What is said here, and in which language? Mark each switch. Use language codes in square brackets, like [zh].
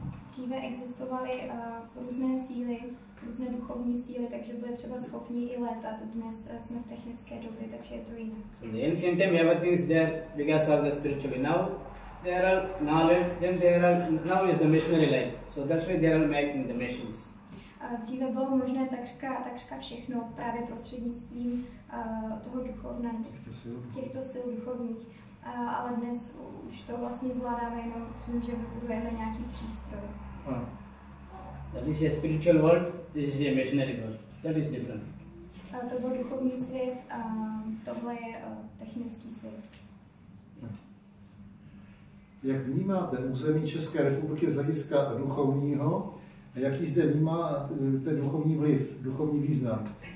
[cs] Dříve existovaly různé síly, různé duchovní síly, takže byly třeba schopni i létat. Dnes jsme v technické době, takže je to jinak. [en] So the ancient time, everything is there because of the spiritual way. Now, there are knowledge, then there are, now is the missionary life. So that's why they are making the missions. [cs] Dříve bylo možné takřka všechno právě prostřednictvím toho duchovna, těchto sil duchovních, ale dnes už to vlastně zvládáme jenom tím, že vybudujeme nějaký přístroj. [en] That is a spiritual world, this is a missionary world. That is different. [cs] To byl duchovní svět a tohle je technický svět. Jak vnímáte území České republiky z hlediska duchovního? Jaký zde vnímá ten duchovní vliv, duchovní význam?